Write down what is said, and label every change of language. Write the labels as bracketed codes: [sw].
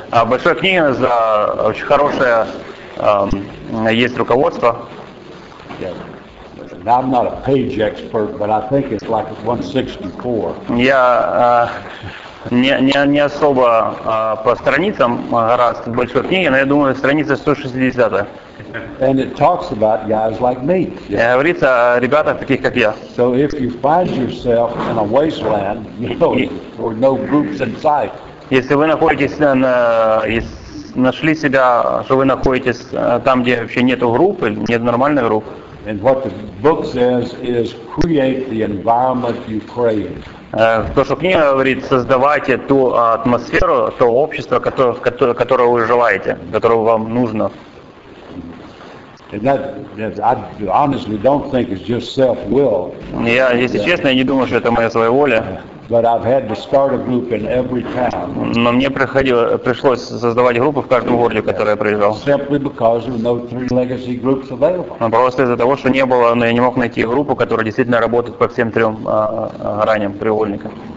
[ru] Большая книга за очень хорошая. Есть руководство. [en] Yeah. Now, I'm not a page expert, but I think it's like 164. [ru] Я не особо по страницам раз в большой книге, но я думаю, страница 160. [en] And it talks about guys like me. [ru] Говорится о ребятах таких, как я. [en] So if you find yourself in a wasteland, you know, or no groups in sight. [ru] Если вы находитесь на нашли себя, что вы находитесь там, где вообще нету группы, нет нормальной группы. [en] And what the book says is create the environment you crave. [ru] То, что книга говорит, создавайте ту атмосферу, то общество, которое вы желаете, которое вам нужно. [en] And that I honestly don't think it's just self-will. [ru] Я, если честно, я не думаю, что это моя своеволия. [en] But I've had to start a group in every town. [ru] Но мне пришлось создавать группу в каждом городе, который я проезжал. [en] Simply because there were no three legacy groups available. [ru] Просто из-за того, что не было, но я не мог найти группу, которая действительно работает по всем трем граням треугольника.